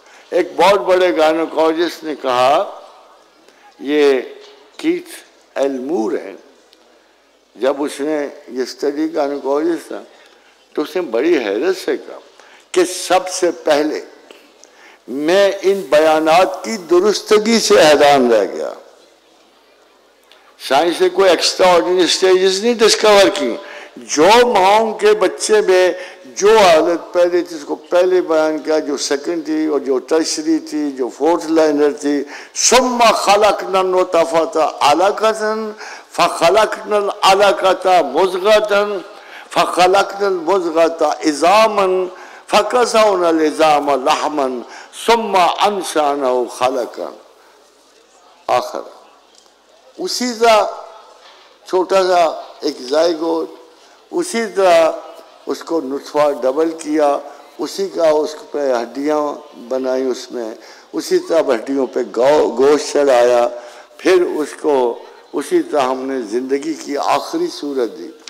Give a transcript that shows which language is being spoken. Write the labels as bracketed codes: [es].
[ur] ایک بہت بڑے گائنیکولوجسٹ نے کہا, یہ کیتھ ایلمور ہے, جب اس نے یہ اسٹڈی گائنیکولوجسٹ تھا تو اس نے بڑی حیرت سے کہا کہ سب سے پہلے میں ان بیانات کی درستگی سے حیران رہ گیا. سائنس نے کوئی ایکسٹرا آرڈینری سٹیجز نہیں ڈسکور کی, جو ماؤں کے بچے میں جو حالت پہلے جس کو پہلے بیان کیا, جو سیکنڈ تھی اور جو ترشری تھی, جو فورتھ لائنر تھی. [ar] ثم خلقنا النطفة علقة فخلقنا العلقة مضغة فخلقنا المضغة عظاما فَقَسَوْنَا الْعِظَامَ لَحْمًا ثُمَّ أَنْشَأْنَاهُ خَلْقًا آخر. [ur] اسی طرح چھوٹا سا ایک زائگوٹ, اسی طرح اس کو نطفہ ڈبل کیا, اسی کا اس پہ ہڈیاں بنائی, اس میں اسی طرح ہڈیوں پہ گوشت چڑھایا, پھر اس کو اسی طرح ہم نے زندگی کی آخری صورت دی.